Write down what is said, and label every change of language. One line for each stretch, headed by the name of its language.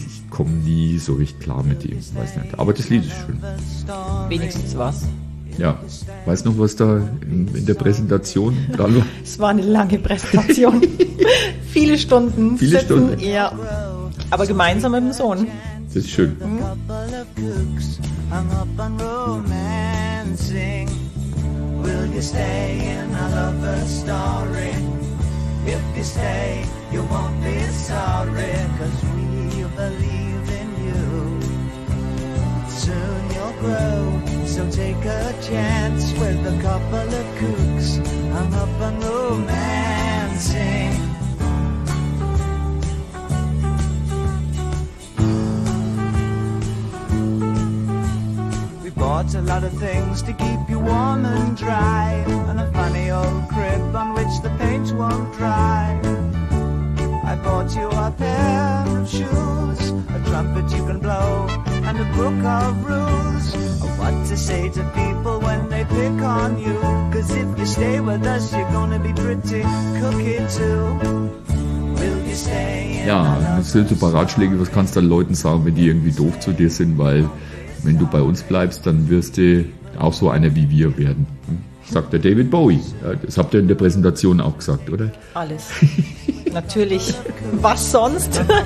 German: Ich komme nie so recht klar mit dem, weiß nicht. Aber das Lied ist schön. Wenigstens was. Ja, weißt du noch, was da in der Präsentation dran war? Es war eine lange Präsentation. Viele Stunden. Viele sitzen, Stunden. Ja, aber gemeinsam mit dem Sohn. Das ist schön.
English: Will you stay in a lover's story? If you stay, you won't be sorry, 'cause we believe in you. Soon you'll grow, so take a chance with a couple of kooks hung up on romancing. Bought a lot of things to keep you warm and dry, and a funny old crib on which the paint won't dry. I bought you a pair of shoes, a trumpet you can blow, and a book of rules of what to say to people when they pick on you. 'Cause if you stay with us, you're gonna be pretty cookie too.
German: Ja, das sind so ein paar Ratschläge, was kannst du dann Leuten sagen, wenn die irgendwie doof zu dir sind, weil wenn du bei uns bleibst, dann wirst du auch so einer wie wir werden. Sagt der David Bowie. Das habt ihr in der Präsentation auch gesagt, oder? Alles. Natürlich. Was sonst?